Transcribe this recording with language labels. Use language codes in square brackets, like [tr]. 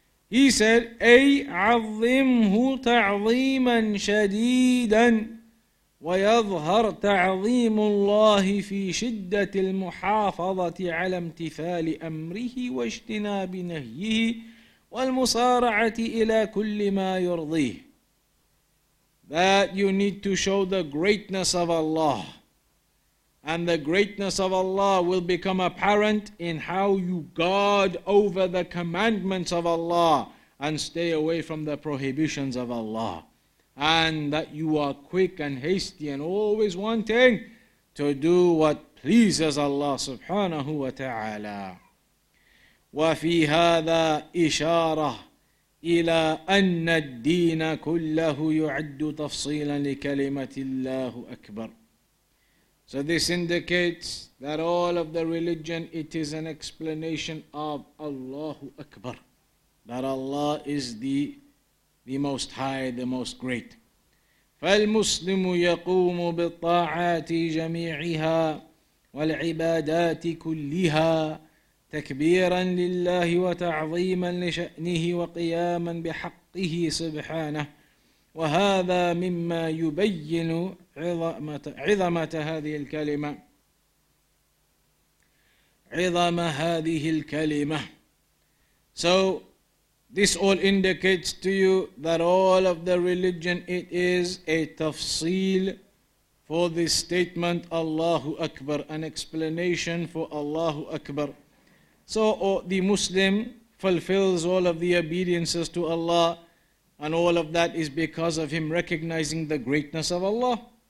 [en] He said, [ar] أي عظمه تعظيما شديدا ويظهر تعظيم الله في شدة المحافظة على امتثال أمره واجتناب نهيه والمصارعة إلى كل ما يرضيه. [en] That you need to show the greatness of Allah. And the greatness of Allah will become apparent in how you guard over the commandments of Allah and stay away from the prohibitions of Allah. And that you are quick and hasty and always wanting to do what pleases Allah subhanahu wa ta'ala. [ar] وفي هذا إشارة إلى أن الدين كله يعد تفصيلا لكلمة الله أكبر. [en] So this indicates that all of the religion, it is an explanation of Allahu Akbar. That Allah is the most high, the most great. [ar] فالمسلم يقوم بالطاعات جميعها والعبادات كلها تكبيرا لله وتعظيما لشأنه وقياما بحقه سبحانه وهذا مما يبين عظمة هذه الكلمة عظم هذه الكلمة. [en] So this all indicates to you that all of the religion, it is a tafsil for this statement Allahu Akbar, an explanation for Allahu Akbar. So the Muslim fulfills all of the obediences to Allah, and all of that is because of him recognizing the greatness of Allah.